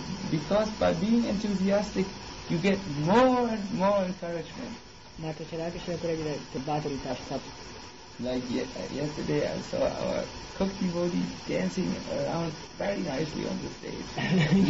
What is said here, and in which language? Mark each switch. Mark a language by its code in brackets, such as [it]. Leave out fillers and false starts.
[en] Because by being enthusiastic you get more and more encouragement. [hu] Mert hogyha lelkes vagy, akkor egyre több bátorítást kap. [en] Like yesterday I saw our cook devotee dancing around very nicely on the stage.